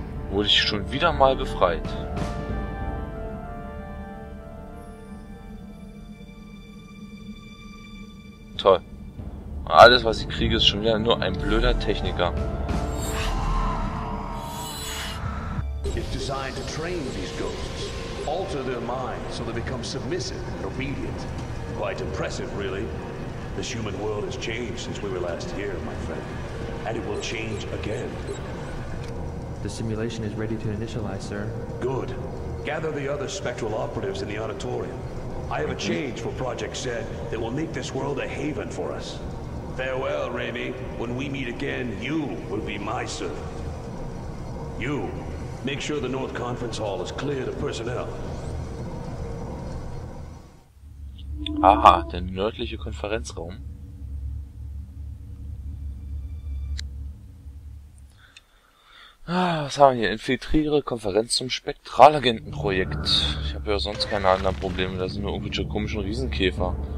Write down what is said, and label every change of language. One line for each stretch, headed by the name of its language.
German: Wurde ich schon wieder mal befreit. Toll. Alles, was ich kriege, ist schon wieder nur ein blöder Techniker.
English: If designed to train these ghosts, alter their minds so they become submissive and obedient. Quite impressive, really. This human world has changed since we were last here, my friend. And it will change again. The simulation is ready to initialize, sir. Good. Gather the other spectral operatives in the auditorium. I have a change for Project Zed that will make this world a haven for us. Farewell, Raimi. When we meet again, you will be my servant. You. Make sure the North Conference Hall is clear to personnel.
German: Aha, der nördliche Konferenzraum. Ah, was haben wir hier? Infiltriere Konferenz zum Spektralagentenprojekt. Ich habe ja sonst keine anderen Probleme, da sind nur irgendwelche komischen Riesenkäfer.